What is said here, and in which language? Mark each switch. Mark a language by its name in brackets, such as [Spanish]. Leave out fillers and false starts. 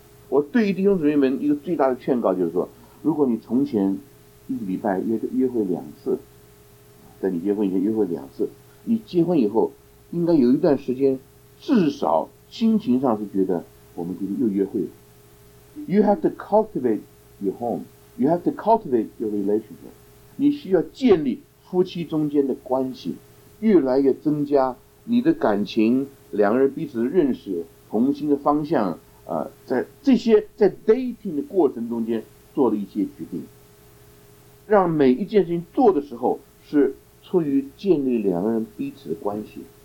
[Chinese] 我对于弟兄姊妹们一个最大的劝告就是说，如果你从前一个礼拜约会两次，在你结婚以前约会两次，你结婚以后应该有一段时间至少心情上是觉得我们今天又约会了。 [English] You have to cultivate your home, you have to cultivate your relationship。 [Chinese] 你需要建立夫妻中间的关系，越来越增加你的感情，两个人彼此的认识，同心的方向，在这些在 dating 的过程中间做了一些决定，让每一件事情做的时候是出于建立两个人彼此的关系。